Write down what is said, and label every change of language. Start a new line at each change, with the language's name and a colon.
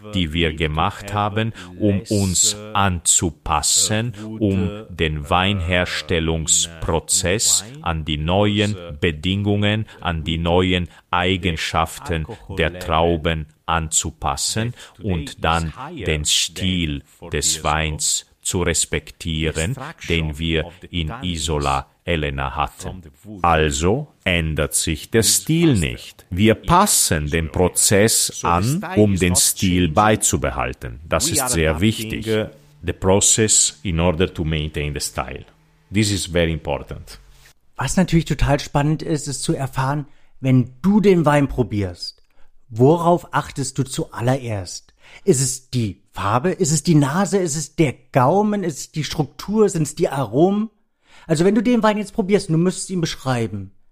German: die wir gemacht haben, um uns anzupassen, um den Weinherstellungsprozess an die neuen Bedingungen, an die neuen Eigenschaften der Trauben anzupassen und dann den Stil des Weins zu respektieren, den wir in Isola Elena hatten. Also ändert sich der Stil nicht. Wir passen den Prozess an, um den Stil beizubehalten. Das ist sehr wichtig.
English: The process in order to maintain the style. This is very important.
German: Was natürlich total spannend ist, ist zu erfahren, wenn du den Wein probierst, worauf achtest du zuallererst? Ist es die Farbe? Ist es die Nase? Ist es der Gaumen? Ist es die Struktur? Sind es die Aromen? Also wenn du den Wein jetzt probierst, du müsstest ihn beschreiben.